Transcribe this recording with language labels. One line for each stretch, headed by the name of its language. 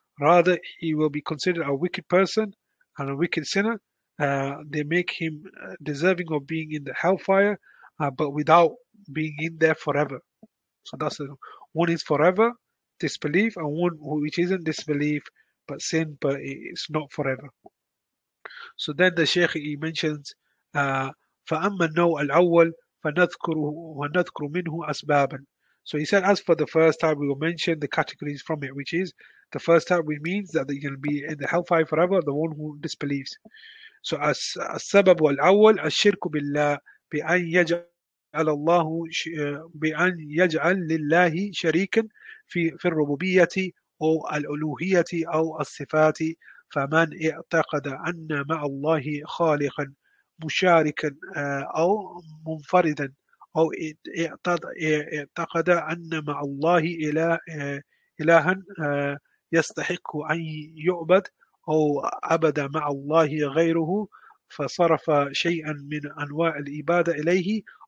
English: Rather, he will be considered a wicked person and a wicked sinner. They make him deserving of being in the hellfire, but without being in there forever. So that's one is forever, disbelief, and one which isn't disbelief, but sin, but it's not forever. So then the Sheikh he mentions
Arabic: فأما النوع الأول فنذكر منه أسبابا.
English: So he said, as for the first type, we will mention the categories from it, which is the first type, which means that they will be in the hellfire forever, the one who disbelieves.
Arabic: So السبب الأول الشرك بالله بأن يجعل لله شريكا في الربوبية أو الألوهية أو الصفات. فمن اعتقد أن مع الله خالقا مشاركا أو منفردا أو اعتقد أن مع الله إلها يستحق أن يعبد أو عبد مع الله غيره فصرف شيئا من أنواع العبادة إليه